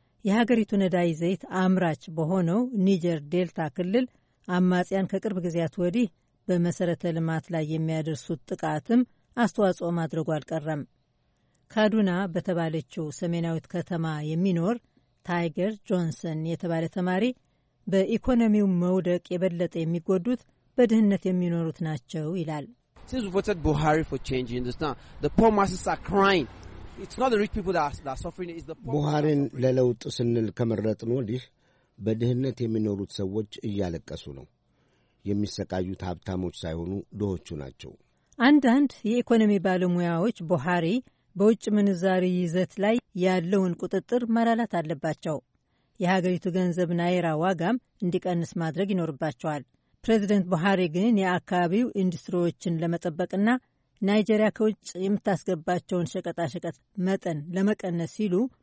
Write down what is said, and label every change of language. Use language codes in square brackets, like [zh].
[am] የሀገሪቱ ነዳጅ ዘይት አምራች በሆነው ኒጀር ዴልታ ክልል አማጽያን ከቅርብ ጊዜያት ወዲህ በመሰረተ ልማት ላይ የሚያደርሱት ጥቃትም አስተዋጽኦ ማድረጉ አልቀረም። ካዱና በተባለችው ሰሜናዊት ከተማ የሚኖር ታይገር ጆንሰን የተባለ ተማሪ በኢኮኖሚው መውደቅ የበለጠ የሚጎዱት በድህነት የሚኖሩት ናቸው ይላል። [en] Since we voted Buhari for change in this town, the poor masses are crying. It's not the rich people that are suffering, it's the poor. [am] ቡሃሪን ለለውጥ ስንል ከመረጥን ወዲህ በድህነት የሚኖሩት ሰዎች እያለቀሱ ነው። የሚሰቃዩት ሀብታሞች ሳይሆኑ ድሆቹ ናቸው። አንዳንድ የኢኮኖሚ ባለሙያዎች ቡሃሪ በውጭ ምንዛሪ ይዘት ላይ ያለውን ቁጥጥር መላላት አለባቸው፣ የሀገሪቱ ገንዘብ ናይራ ዋጋም እንዲቀንስ ማድረግ ይኖርባቸዋል። ፕሬዚደንት ቡሃሪ ግን የአካባቢው ኢንዱስትሪዎችን ለመጠበቅና ናይጄሪያ ከውጭ የምታስገባቸውን ሸቀጣሸቀጥ መጠን ለመቀነስ ሲሉ